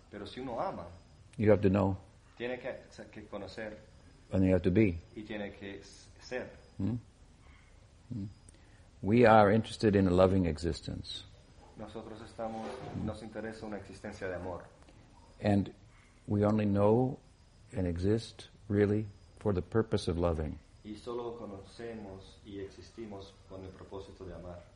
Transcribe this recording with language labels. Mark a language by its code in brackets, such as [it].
[es] pero si uno ama, [en] you have to know. [es] Tiene que conocer, [en] and you have to be. [es] Y tiene que ser. [en] We are interested in a loving existence. [es] Nosotros estamos, nos interesa una existencia de amor. [en] And we only know and exist really for the purpose of loving. [es] Y solo conocemos y existimos con el propósito de amar.